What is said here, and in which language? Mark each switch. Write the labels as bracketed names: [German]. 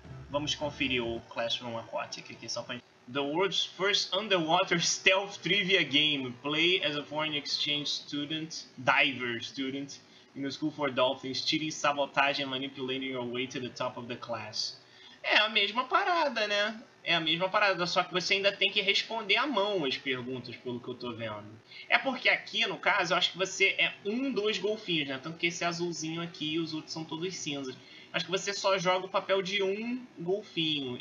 [Portuguese] Vamos conferir o Classroom Aquatic aqui só pra gente. [English] The world's first underwater stealth trivia game. Play as a foreign exchange student, diver student, in the school for dolphins, cheating, sabotage, and manipulating your way to the top of the class. [Portuguese] É a mesma parada, né? É a mesma parada, só que você ainda tem que responder à mão as perguntas, pelo que eu tô vendo. É porque aqui, no caso, eu acho que você é um dos golfinhos, né? Tanto que esse azulzinho aqui e os outros são todos cinzas. Acho que você só joga o papel de um golfinho.